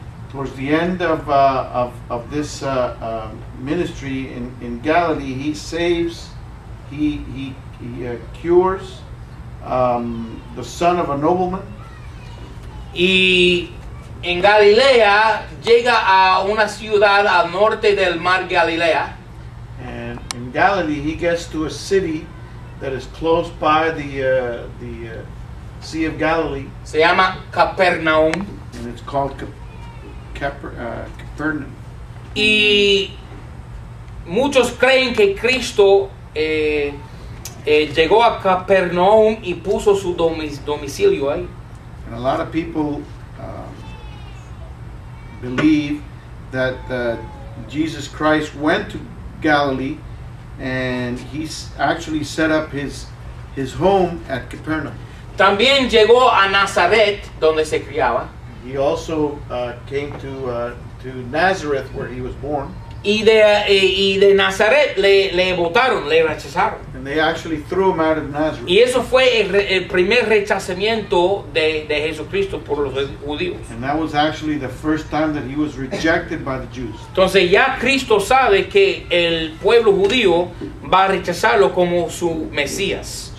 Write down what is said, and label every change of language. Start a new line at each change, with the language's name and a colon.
English: Towards the end of this ministry in Galilee, he saves, he cures the son of a nobleman.
Spanish: Y en Galilea llega a una ciudad al norte del mar Galilea.
English: In Galilee, he gets to a city that is close by the Sea of Galilee.
Spanish: Se llama Capernaum.
English: And it's called Capernaum.
Spanish: Y muchos creen que Cristo llegó a Capernaum y puso su domicilio ahí.
English: And a lot of people believe that Jesus Christ went to Galilee. And he's actually set up his home at Capernaum.
Spanish: También llegó a Nazaret, donde se criaba.
English: He also came to Nazareth, where he was born.
Spanish: y de Nazaret le botaron, le rechazaron.
English: And they actually threw him out of Nazareth.
Spanish: Y eso fue el primer rechazamiento de Jesucristo por los judíos.
English: And that was actually the first time that he was rejected by the Jews.
Spanish: Entonces ya Cristo sabe que el pueblo judío va a rechazarlo como su Mesías.